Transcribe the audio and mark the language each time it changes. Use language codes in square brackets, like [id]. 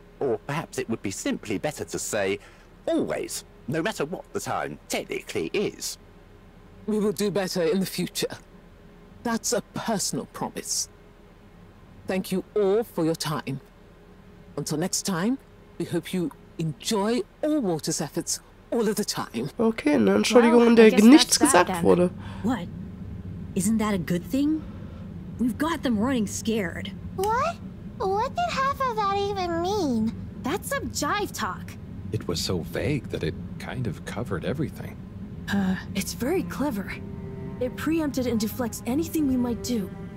[en] Or perhaps it would be simply better to say, always, no matter what the time technically is. We will do better in the future. That's a personal promise. Thank you all for your time. Until next time, we hope you enjoy All Water's efforts all of the time. [de] Okay, eine Entschuldigung, in der nichts gesagt wurde. [en] What? Isn't that a good thing? We've got them running scared. What? What did half of that even mean? That's some jive talk. It was so vague that it kind of covered everything. It's very clever. It preempted and deflects anything we might do.